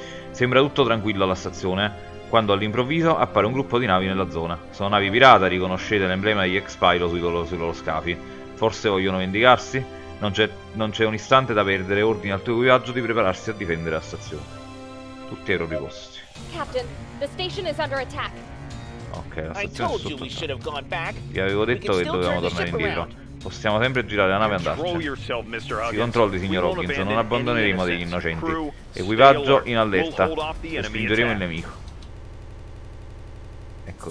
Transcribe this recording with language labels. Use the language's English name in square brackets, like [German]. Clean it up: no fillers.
[Italian] Sembra tutto tranquillo alla stazione, quando all'improvviso appare un gruppo di navi nella zona. Sono navi pirata, riconoscete l'emblema degli ex-pilot sui loro scafi. Forse vogliono vendicarsi? Non c'è un istante da perdere, ordine al tuo equipaggio di prepararsi a difendere la stazione. Tutti erano riposti. [English] Captain, the station is under attack. [Italian] Ok, la stazione è sotto attacco. Vi avevo detto che dovevamo tornare indietro. Possiamo sempre girare la nave e andarci. Si controlli, signor Hoggins, non abbandoneremo degli innocenti. Equipaggio in allerta, respingeremo il nemico. Ecco